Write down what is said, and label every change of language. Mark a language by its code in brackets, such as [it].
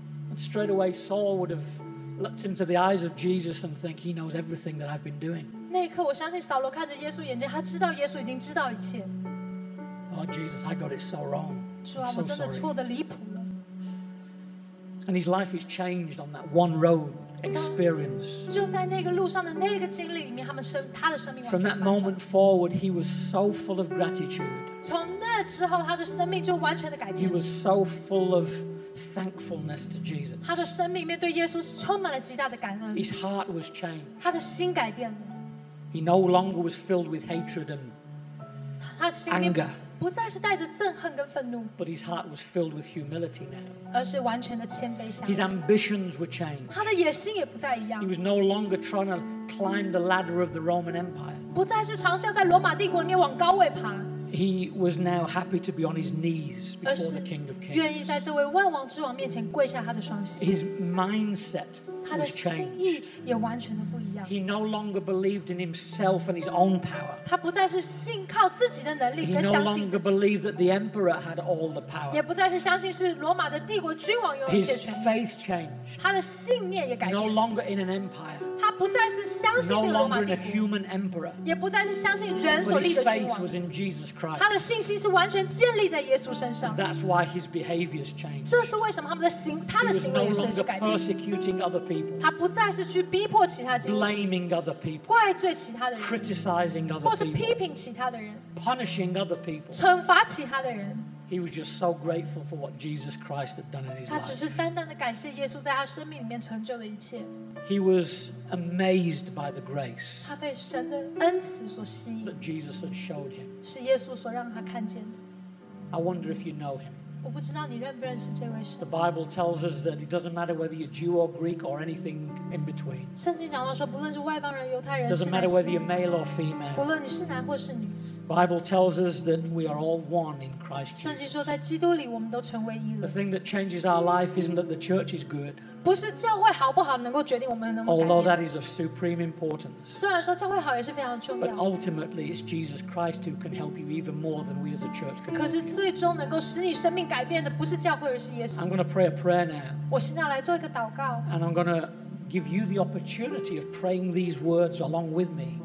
[en] And straight away, Saul would have looked into the eyes of Jesus and think he knows everything that I've been doing. [zh] 那一刻，我相信扫罗看着耶稣眼睛，他知道耶稣已经知道一切。 [en] Oh Jesus, I got it so wrong. [zh] 主啊，我真的错的离谱了。 [en] And his life is changed on that one road experience. [zh] 就在那个路上的那个经历里面，他的生命。 [en] From that moment forward, he was so full of gratitude. [zh] 从那之后，他的生命就完全的改变。 [en] He was so full of thankfulness to Jesus. [zh] 他的生命里面对耶稣是充满了极大的感恩。 [en] His heart was changed. [zh] 他的心改变了。 [en] He no longer was filled with hatred and anger. [zh] 不再是带着憎恨跟愤怒。 [en] But his heart was filled with humility now. [zh] 而是完全的谦卑下。 [en] His ambitions were changed. [zh] 他的野心也不再一样。 [en] He was no longer trying to climb the ladder of the Roman Empire. [zh] 不再是尝试在罗马帝国里面往高位爬。 [en] He was now happy to be on his knees before the King of Kings. [zh] 愿意在这位万王之王面前跪下他的双膝。 [en] His mindset was changed. [zh] 他的心意也完全的不一样。 [en] He no longer believed in himself and his own power. [zh] 他不再是信靠自己的能力跟相信自己。 [en] He no longer believed that the emperor had all the power. [zh] 也不再是相信是罗马的帝国君王有一切权力。 [en] His faith changed. [zh] 他的信念也改变。 [en] No longer in an empire. [zh] 他不再是相信这个罗马帝国，也不再是相信人所立的君王。他的信心是完全建立在耶稣身上。 [en] That's why his behaviors changed. [zh] 这是为什么他的行为也随之改变。 [en] Persecuting other people. [zh] 他不再是去逼迫其他基督徒。 [en] Blaming other people. [zh] 怪罪其他的人。 [en] Criticizing other people. [zh] 或是批评其他的人。 [en] Punishing other people. [zh] 惩罚其他的人。 [en] He was just so grateful for what Jesus Christ had done in his life. [zh] 他只是单单的感谢耶稣在他生命里面成就的一切。 [en] He was amazed by the grace. [zh] 他被神的恩慈所吸引。 [en] That Jesus had showed him. [zh] 是耶稣所让他看见的。 [en] I wonder if you know him. [zh] 我不知道你认不认识这位神。 [en] The Bible tells us that it doesn't matter whether you're Jew or Greek or anything in between. [zh] 圣经讲到说，不论是外邦人、犹太人。 [en] Doesn't matter whether you're male or female. [zh] 不论你是男或是女。 [en] Bible tells us that we are all one in Christ Jesus. [zh] 圣经说，在基督里，我们都成为一了。 [en] The thing that changes our life isn't that the church is good. [zh] 不是教会好不好能够决定我们能够改变。 [en] Although that is of supreme importance. [zh] 虽然说教会好也是非常重要。 [en] But ultimately, it's Jesus Christ who can help you even more than we as a church can. [zh] 可是最终能够使你生命改变的不是教会，而是耶稣。 [en] I'm going to pray a prayer now. [zh] 我现在来做一个祷告。 [en] And I'm going to. Give you the opportunity of praying these words along with me.